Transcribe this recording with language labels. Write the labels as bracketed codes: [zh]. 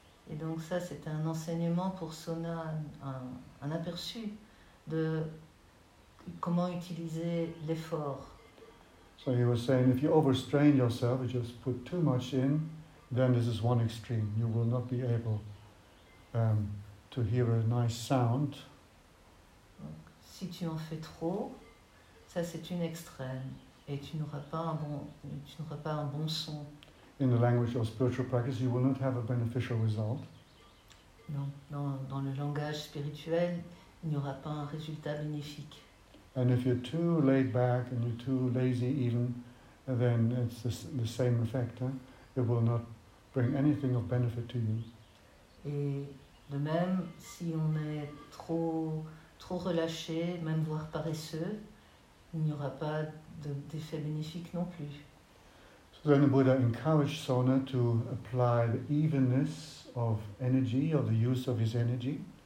[fr] Et donc ça, c'est un enseignement pour Sona, un aperçu de comment utiliser l'effort. [en] So he was saying, if you overstrain yourself, you just put too much in, then this is one extreme. You will not be able to hear a nice sound. [fr] Donc, si tu en fais trop, ça c'est une extrême. Et tu n'auras pas un bon son. [en] In the language of spiritual practice, you will not have a beneficial result. [fr] Non, dans le langage spirituel, il n'y aura pas un résultat bénéfique. [en] And if you're too laid back and you're too lazy even, then it's the same effect. Hein? It will not bring anything of benefit to you. [fr] Et de même, si on est trop relâché, même voire paresseux, il n'y aura pas d'effet bénéfique non plus. [en] So then the Buddha encouraged Sona to apply the evenness of energy or the use of his energy.